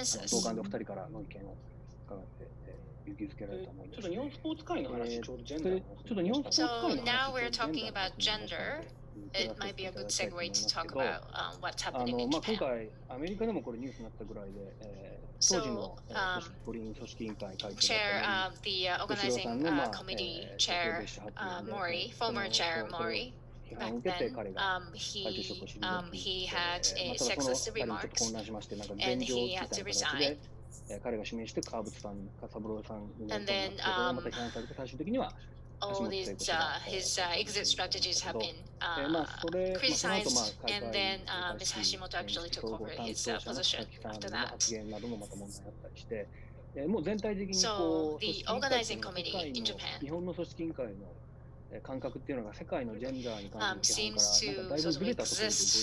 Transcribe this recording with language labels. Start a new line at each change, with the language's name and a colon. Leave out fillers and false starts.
Japanese: 同感でお二人からの意見を伺って、勇気づけられたと思います。ちょっと日本スポーツ界の話、ちょうどジェンダーの話、ちょっと日本スポーツ界の話、
English: 今、we're talking about gender。it might be a good segue to talk about what's happening in Japan.
Japanese: 今回アメリカでもこれニュースになったぐらいで、
English: Mori, former chair Mori, back then, he had a sexist remarks, and he had to resign.
Japanese: 彼が指名して川淵さん、笠三郎さんが批判されて、最終的には
English: all these his exit strategies have been criticized, and then Ms. Hashimoto actually took over his position after that.
Japanese: 発言などもまた問題あったりして、もう全体的にこう
English: the organizing committee in Japan
Japanese: 日本の組織委員会の感覚っていうのが世界のジェンダーに関してだいぶずれたところに